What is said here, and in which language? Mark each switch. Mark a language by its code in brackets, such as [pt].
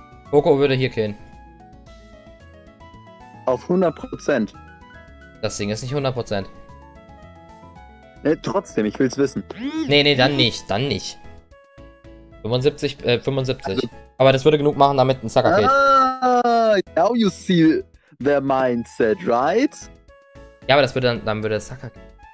[de] Coco würde hier killen. Auf 100%. Das Ding ist nicht 100%. Nee, trotzdem, ich will's wissen. Nee, dann nicht. 75. Also, aber das würde genug machen, damit ein Zucker killt. [en] Now you see the mindset, right? [de] Ja, aber das würde dann würde das Zucker killen.